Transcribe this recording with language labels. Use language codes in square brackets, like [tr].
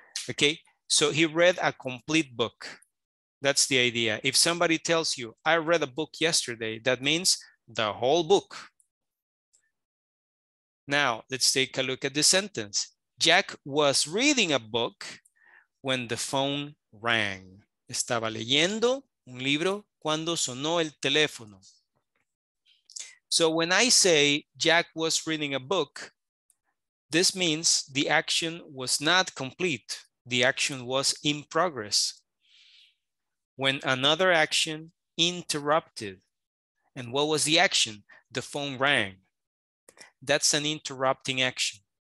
[en] Okay, so he read a complete book. That's the idea. If somebody tells you, I read a book yesterday, that means the whole book. Now, let's take a look at the sentence. Jack was reading a book when the phone rang. [es] Estaba leyendo un libro cuando sonó el teléfono. [en] So when I say Jack was reading a book, this means the action was not complete. The action was in progress. When another action interrupted. And what was the action? The phone rang. That's an interrupting action.